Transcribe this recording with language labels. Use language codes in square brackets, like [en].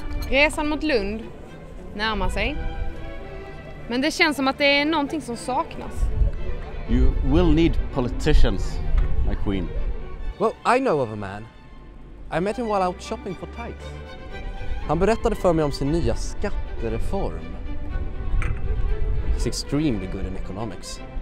[sv] Resan mot Lund närmar sig. Men det känns som att det är någonting som saknas. [en] You will need politicians, my queen. Well, I know of a man. I met him while out shopping for tights. [sv] Han berättade för mig om sin nya skattereform. [en] He's extremely good in economics.